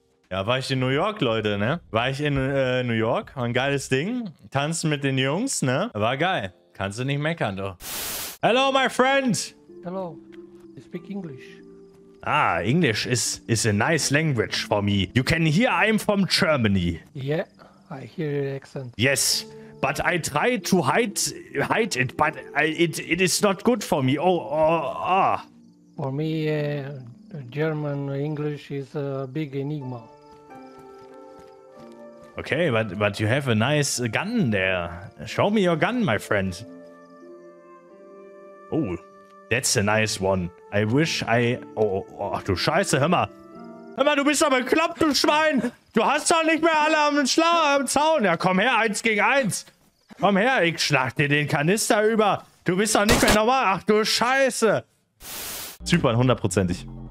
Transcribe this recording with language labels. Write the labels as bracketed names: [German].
[German] Ja, war ich in New York, Leute, ne? War ich in New York, war ein geiles Ding. Tanzen mit den Jungs, ne? War geil. Kannst du nicht meckern, doch. [English] Hello, my friend. Hello, I speak English. Ah, English is a nice language for me. You can hear I'm from Germany. Yeah, I hear your accent. Yes. But I try to hide it, but it is not good for me. For me, German English is a big enigma. Okay, but you have a nice gun there. Show me your gun, my friend. Oh, That's a nice one. I wish I... Oh, [German] du Scheiße, hör mal. Hör mal, du bist aber ein Klappenschwein. Du hast doch nicht mehr alle am Zaun. Ja, komm her, eins gegen eins. Komm her, ich schlag dir den Kanister über. Du bist doch nicht mehr normal. Ach, du Scheiße. Zypern, hundertprozentig.